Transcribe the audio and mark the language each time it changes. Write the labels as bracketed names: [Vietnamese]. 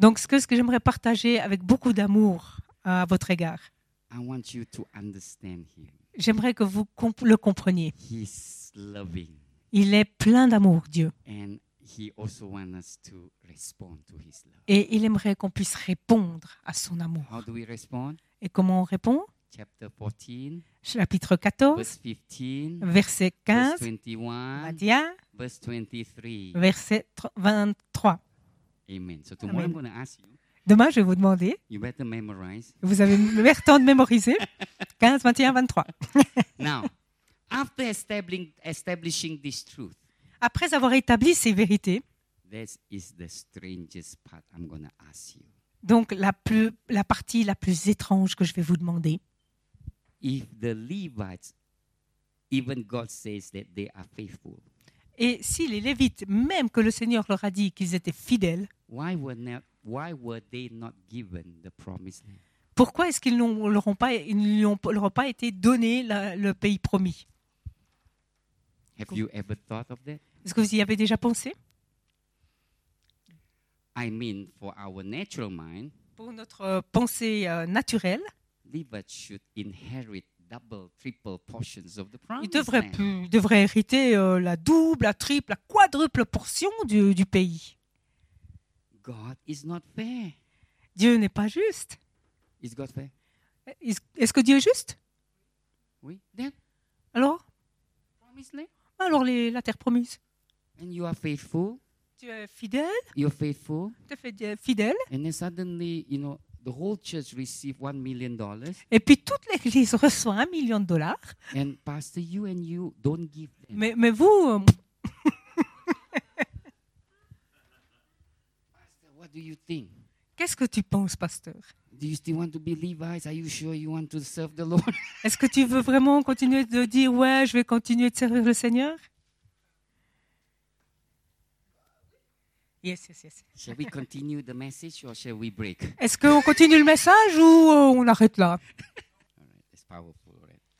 [French] Donc ce que j'aimerais partager avec beaucoup d'amour à votre égard. [English] I want you to understand him. [French] J'aimerais que vous le compreniez. [English] He's loving. [French] Il est plein d'amour, Dieu. [English] And he also wants us to respond to his love. [French] Et il aimerait qu'on puisse répondre à son amour. [English] How do we respond? [French] Et comment on répond? [English] Chapter 14. [French] Chapitre 14. [English] Verse 15. [French] Verset 15. [English] Verse 21. [French] Matthieu. [English] Verse 23. [French] Verset 23. [English] Amen. So tomorrow I'm going to ask you. [French] Demain, je vais vous demander. [English] You better memorize. [French] Vous avez le temps de mémoriser. 15, 21, 23. [English] Now, after establishing this truth. [French] Après avoir établi ces vérités. [English] This is the strangest part I'm going to ask you. [French] Donc la partie la plus étrange que je vais vous demander. [English] If the Levites, even God says that they are faithful. [French] Et si les Lévites, même que le Seigneur leur a dit qu'ils étaient fidèles, [English] why were they not given the promised land? [French] Pourquoi est-ce qu'ils ne leur ont pas été donné le pays promis? [English] Have you ever thought of that? [French] Est-ce que vous y avez déjà pensé? [English] I mean, for our natural mind, [French] pour notre pensée naturelle, [English] Levites should inherit double, triple portions of the promised land. [French] Ils devraient hériter la double, la triple, la quadruple portion du pays. [English] God is not fair. [French] Dieu n'est pas juste. [English] Is God fair? [French] Est-ce que Dieu est juste? Oui. [English] Then, [French] alors? [English] Promised land? [French] Alors la terre promise. [English] And you are faithful. [French] Tu es fidèle. [English] You're faithful. [French] Tu es fidèle. [English] And then suddenly, you know. The whole church received $1 million. [French] Et puis toute l'église reçoit $1 million. [English] And pastor, you and you don't give them. [French] Mais vous. [English] Pastor, what do you think? [French] Qu'est-ce que tu penses, pasteur? [English] Do you still want to be Levites? Are you sure you want to serve the Lord? [French] Est-ce que tu veux vraiment continuer de dire ouais, je vais continuer de servir le Seigneur? [English] Yes. Shall we continue the message or shall we break? [French] Est-ce qu'on continue le message ou on arrête là? [English] It's powerful, right?